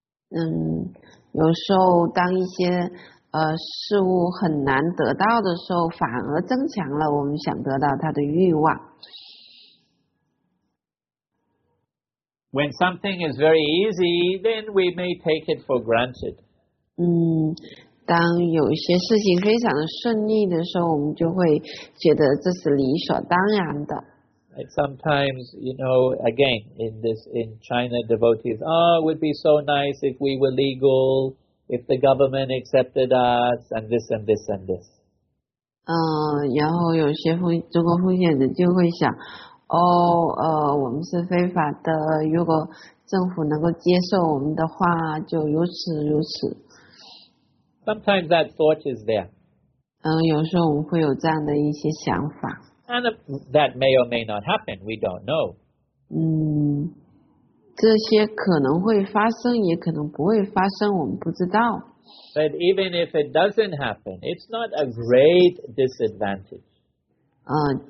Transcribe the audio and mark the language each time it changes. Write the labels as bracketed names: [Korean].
[Chinese] 有时候当一些事物很难得到的时候，反而增强了我们想得到它的欲望。 [English] When something is very easy, then we may take it for granted. [Chinese] 当有一些事情非常顺利的时候，我们就会觉得这是理所当然的。 [English] Sometimes, you know, again, in China, devotees, oh, it would be so nice if we were legal, if the government accepted us, and this and this and this. [Chinese] 然后有些中国奉献者就会想，哦，我们是非法的，如果政府能够接受我们的话，就如此如此。 [English] Sometimes that thought is there. [Chinese] 有时候我们会有这样的一些想法。 [English] And that may or may not happen, we don't know. [Chinese] 这些可能会发生，也可能不会发生，我们不知道。 [English] But even if it doesn't happen, it's not a great disadvantage.